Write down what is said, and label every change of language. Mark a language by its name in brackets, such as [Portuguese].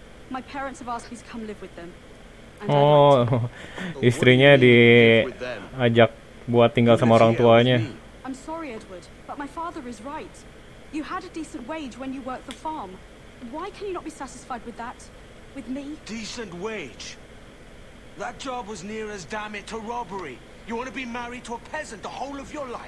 [English] My parents have asked me to come live with them. [Indonesian] Oh, istrinya diajak buat tinggal sama orang tuanya. [English] I'm sorry, Edward, but my father is right. You had a decent wage when you worked the farm. Why can you not be satisfied with that? With me? Decent wage? That job was near as damn it to robbery. You want to be married to a peasant the whole of your life?